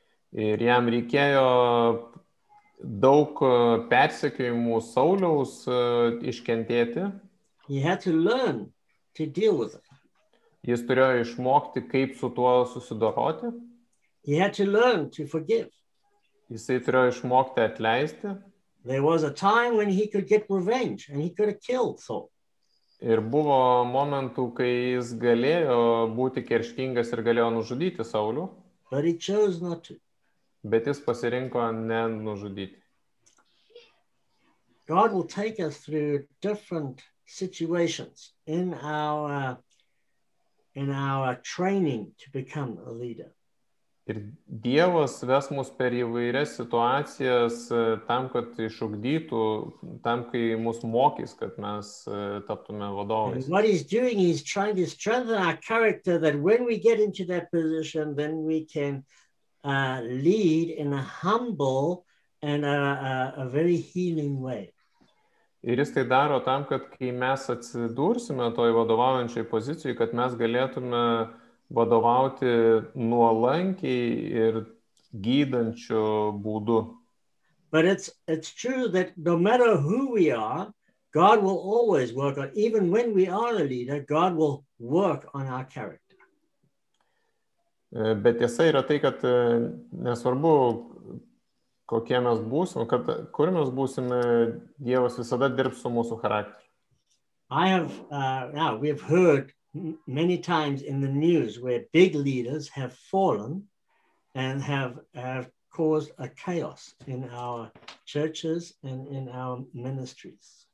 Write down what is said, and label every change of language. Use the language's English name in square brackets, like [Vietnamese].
[Lithuanian] Ir jam reikėjo daug persekiojimų Sauliaus iškentėti. [English] He had to learn to deal with it. [Lithuanian] Jis turėjo išmokti, kaip su tuo susidoroti. [English] He had to learn to forgive. [Lithuanian] Jisai turėjo išmokti atleisti. [English] There was a time when he could get revenge and he could have killed Saul. [Lithuanian] Ir buvo momentų, kai jis galėjo būti kerštingas ir galėjo nužudyti Saulių. [English] But he chose not to. [Lithuanian] Bet jis pasirinko ne nužudyti. [English] God will take us through different situations in our training to become a leader. [Lithuanian] Ir Dievas ves mus per įvairias situacijas tam, kad išugdytų, tam, kai mus mokys, kad mes taptume vadovais. [English] And what he's doing is trying to strengthen our character that when we get into that position, then we can lead in a humble and a very healing way. [Lithuanian] Ir jis tai daro tam, kad kai mes atsidursime toj vadovaujančiai pozicijai, kad mes galėtume vadovauti nuolankiai ir gydančiu būdu. [English] But it's true that no matter who we are, God will always work on, even when we are a leader, God will work on our character. [Lithuanian] Bet tiesa yra tai, kad nesvarbu, kokie mes būsim, kad kur mes būsime, Dievas visada dirbs su mūsų charakteriu. [English] I have we've heard many times in the news where big leaders have fallen and have caused a chaos in our churches and in our ministries.